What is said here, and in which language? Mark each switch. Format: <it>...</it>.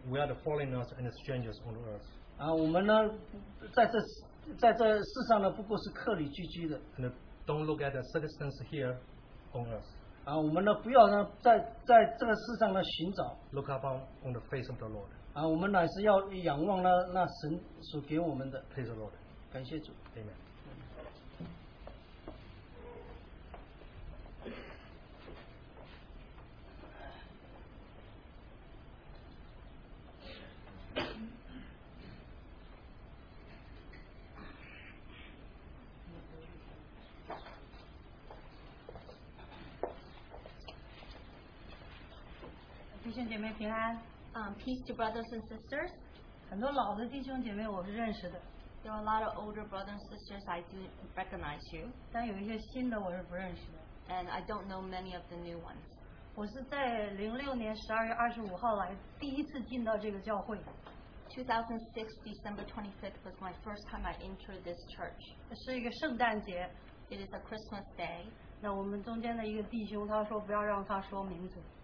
<en>we are the foreigners and the strangers on earth.</en> <zh>我们呢,在这世上呢,不过是客旅居居的,</zh> <en>and don't look at the citizens here on earth.</en> <zh>我们呢,不要呢,在这个世上呢,寻找,</zh> <en>look up on the face of the Lord.</en> <zh>我们乃是要仰望那神所给我们的.</zh> <en>Praise the Lord.</en> <zh>感谢主.</zh> <en>Amen. Peace to brothers and sisters.</en> <zh>很多老的弟兄姐妹我是认识的.</zh> <en>There are a lot of older brothers and sisters I do recognize you.</en> <zh>但有一些新的我是不认识的.</zh> <en>And I don't know many of the new ones.</en> <zh>我是在06年12月25号来第一次进到这个教会.</zh> <en>2006 December 25th was my first time I entered this church.</en> <zh>是一个圣诞节.</zh> <en>It is a Christmas day.</en> <zh>那我们中间的一个弟兄他说不要让他说名字.</zh>